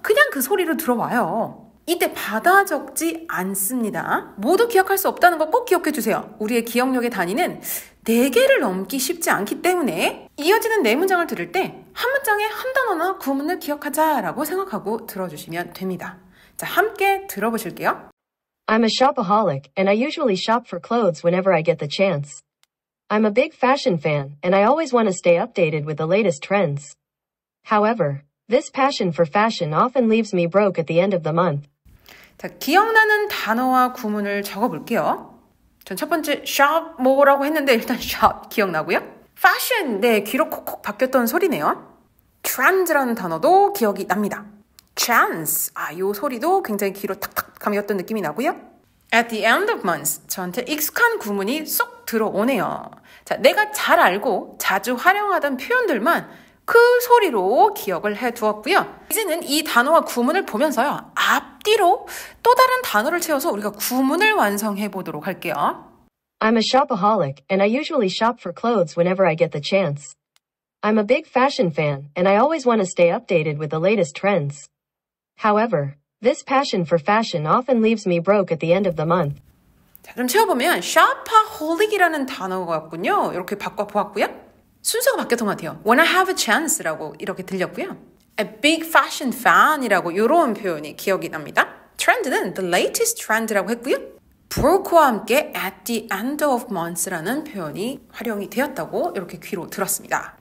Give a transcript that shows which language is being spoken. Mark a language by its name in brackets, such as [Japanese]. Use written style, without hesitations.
[Korean] 그냥 그 소리로 들어와요. 이때 받아 적지 않습니다. 모두 기억할 수 없다는 거 꼭 기억해 주세요. 우리의 기억력의 단위는 4개를 넘기 쉽지 않기 때문에 이어지는 네 문장을 들을 때 한 문장에 한 단어나 구문을 기억하자라고 생각하고 들어주시면 됩니다. 자, 함께 들어보실게요. [English] I'm a shopaholic and I usually shop for clothes whenever I get the chance. I'm a big fashion fan and I always want to stay updated with the latest trends. However, this passion for fashion often leaves me broke at the end of the month. [Korean] 자, 기억나는 단어와 구문을 적어볼게요. 전 첫 번째 shop 뭐라고 했는데 일단 shop 기억나고요. Fashion, 네, 귀로 콕콕 바뀌었던 소리네요. Trends라는 단어도 기억이 납니다. Chance, 아, 요 소리도 굉장히 귀로 탁탁 감겼던 느낌이 나고요. [English] At the end of month, [Korean] 저한테 익숙한 구문이 쏙 들어오네요. 자, 내가 잘 알고 자주 활용하던 표현들만 그 소리로 기억을 해두었고요. 이제는 이 단어와 구문을 보면서요. 앞뒤로 또 다른 단어를 채워서 우리가 구문을 완성해 보도록 할게요. [English] I'm a shopaholic and I usually shop for clothes whenever I get the chance. I'm a big fashion fan and I always want to stay updated with the latest trends. However, this passion for fashion often leaves me broke at the end of the month. [Korean] 자, 그럼 채워보면 shopaholic이라는 단어였군요. 이렇게 바꿔보았고요. 순서가 바뀌었던 것 같아요. [English] When I have a chance [Korean] 라고 이렇게 들렸고요. [English] A big fashion fan [Korean] 이라고 이런 표현이 기억이 납니다. Trend는 [English] the latest trend [Korean] 라고 했고요. Broke와 함께 [English] at the end of month [Korean] 라는 표현이 활용이 되었다고 이렇게 귀로 들었습니다.